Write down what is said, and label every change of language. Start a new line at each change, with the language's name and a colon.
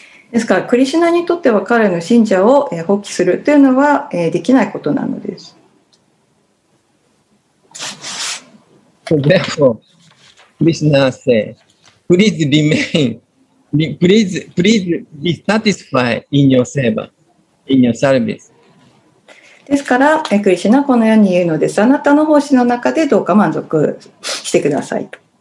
Japanese: ですから、クリシナにとっては彼の信者を放棄するというのはできないことなのです。
English: So, therefore, Krishna said, please remain, please be satisfied in your seva, in your service.
Japanese: ですから、クリシナはこのように言うのです。あなたの奉仕の中でどうか満足してくださいと。